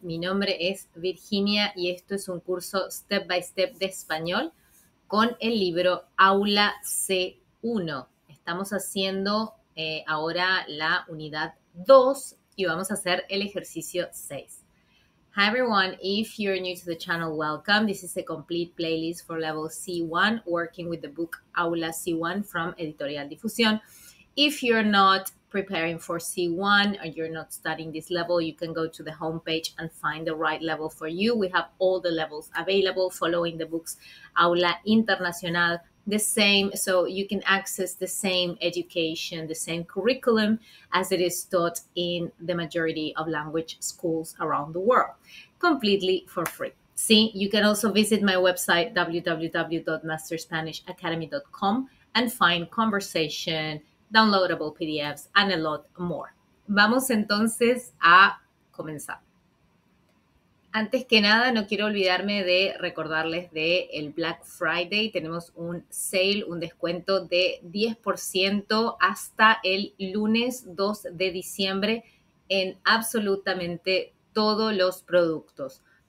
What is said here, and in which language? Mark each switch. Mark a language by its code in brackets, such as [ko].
[es] Mi nombre es Virginia y esto es un curso Step by Step de español con el libro Aula C1. Estamos haciendo ahora la unidad 2 y vamos a hacer el ejercicio 6. [en] Hi everyone, if you're new to the channel, welcome. This is a complete playlist for level C1 working with the book Aula C1 from Editorial Difusión. If you're not preparing for C1 or you're not studying this level, you can go to the homepage and find the right level for you. We have all the levels available following the books Aula Internacional, the same, so you can access the same education, the same curriculum as it is taught in the majority of language schools around the world, completely for free. See, you can also visit my website www.masterspanishacademy.com and find conversation, downloadable PDFs, and a lot more. [es] Vamos entonces a comenzar. Antes que nada, no quiero olvidarme de recordarles de el Black Friday. Tenemos un sale, un descuento de 10% hasta el lunes 2 de diciembre en absolutamente todos los productos.